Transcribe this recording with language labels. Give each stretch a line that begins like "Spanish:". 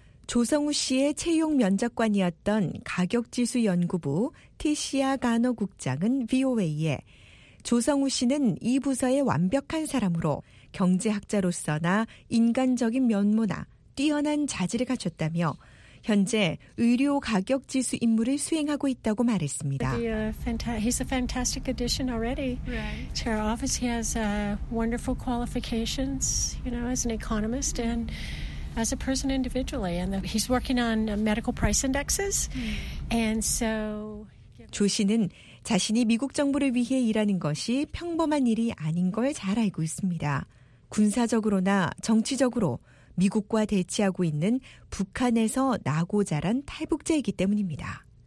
Korean: 조성우 씨의 채용 면접관이었던 가격지수 연구부 티시아 가너 국장은 VOA에 조성우 씨는 이 부서의 완벽한 사람으로 경제학자로서나 인간적인 면모나 뛰어난 자질을 갖췄다며 현재 의료 가격 지수 임무를 수행하고 있다고 말했습니다.
English: He's a fantastic addition already. Right. To our office, he has wonderful qualifications, you know, as an economist and as a person individually. And he's working on medical price indexes. And so
Korean: 조 씨는 자신이 미국 정부를 위해 일하는 것이 평범한 일이 아닌 걸 잘 알고 있습니다. 군사적으로나 정치적으로 미국과 대치하고 있는 북한에서 나고 자란 탈북자이기 때문입니다.